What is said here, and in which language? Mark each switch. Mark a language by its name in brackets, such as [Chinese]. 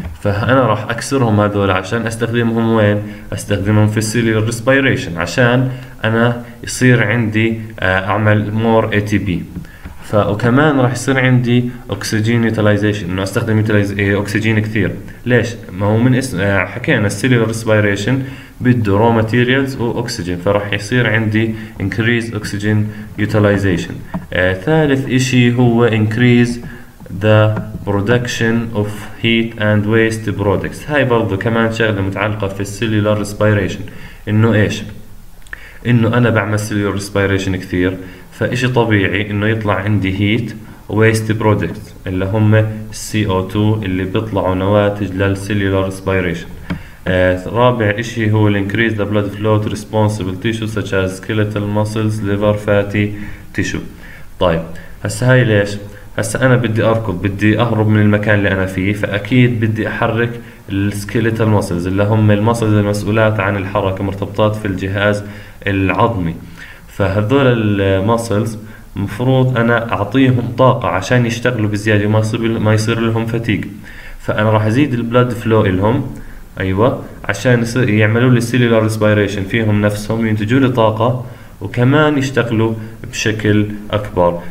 [Arabic] فانا راح اكسرهم هذول عشان استخدمهم وين؟ استخدمهم في السيلير ريسبيريشن عشان انا يصير عندي اعمل مور اي تي بي. وكمان راح يصير عندي اكسجين يوتيلايزيشن، انه استخدم اكسجين كثير. ليش؟ ما هو من اسم حكينا السيلير ريسبيريشن بده raw materials و oxygen، فراح يصير عندي [English] increase oxygen utilization. [Arabic] ثالث اشي هو [English] increase the production of heat and waste products. [Arabic] هاي برضو كمان شغلة متعلقة في cellular respiration، انه ايش؟ انه انا بعمل cellular respiration كثير، فاشي طبيعي انه يطلع عندي [English] heat waste products [Arabic] اللي هم CO2 اللي بيطلعوا نواتج للcellular respiration. رابع إشي هو [English] increase the blood flow to responsible tissue such as skeletal muscles, liver, fatty tissue. [Arabic] طيب هسا هاي ليش؟ هسا أنا بدي أركض، بدي أهرب من المكان اللي أنا فيه، فأكيد بدي أحرك skeletal muscles اللي هم المسلز المسؤولات عن الحركة، مرتبطات في الجهاز العظمي. فهذول المسلز مفروض أنا أعطيهم طاقة عشان يشتغلوا بزيادة وما يصير لهم فتيق، فأنا راح أزيد blood flow لهم، ايوه، عشان يعملوا لي سيلولار ريسبيريشن فيهم نفسهم، ينتجوا لي طاقه وكمان يشتغلوا بشكل اكبر.